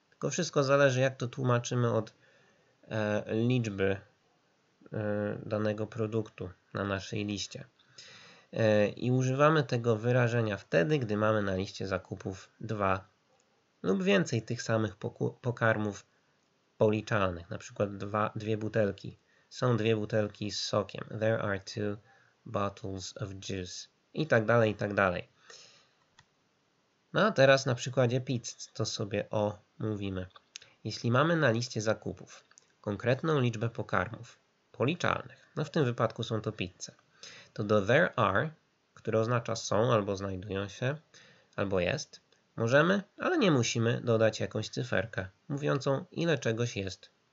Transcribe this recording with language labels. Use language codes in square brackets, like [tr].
[pl] Tylko wszystko zależy, jak to tłumaczymy od liczby danego produktu na naszej liście. I używamy tego wyrażenia wtedy, gdy mamy na liście zakupów dwa lub więcej tych samych pokarmów policzalnych, na przykład dwie butelki. Są dwie butelki z sokiem. [en] There are two bottles of juice. [pl] I tak dalej, i tak dalej. No a teraz na przykładzie pizzy to sobie omówimy. Jeśli mamy na liście zakupów konkretną liczbę pokarmów policzalnych, no w tym wypadku są to pizze, to do [en] there are, [pl] które oznacza są albo znajdują się, albo jest, możemy, ale nie musimy dodać jakąś cyferkę, mówiącą ile czegoś jest.